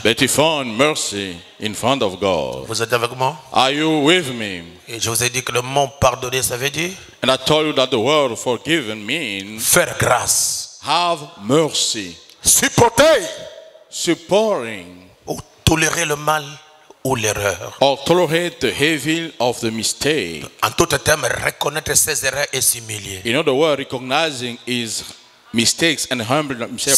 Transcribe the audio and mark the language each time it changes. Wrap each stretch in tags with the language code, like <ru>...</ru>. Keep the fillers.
<en>But he found mercy in front of God.</en> <fr>Vous êtes avec moi?</fr> <en>Are you with me?</en> <fr>Et je vous ai dit que le mot pardonner, ça veut dire?</fr> <en>And I told you that the word forgiven means</en> <fr>faire grâce.</fr> <en>Have mercy.</en> <fr>Supporter. Si supporting ou tolérer le mal ou l'erreur.</fr> <en>Or tolerate the evil of the mistake.</en> <fr>En tout temps reconnaître ses erreurs et s'humilier.</fr> <en>In other words, recognizing his mistakes and humbling himself.</en>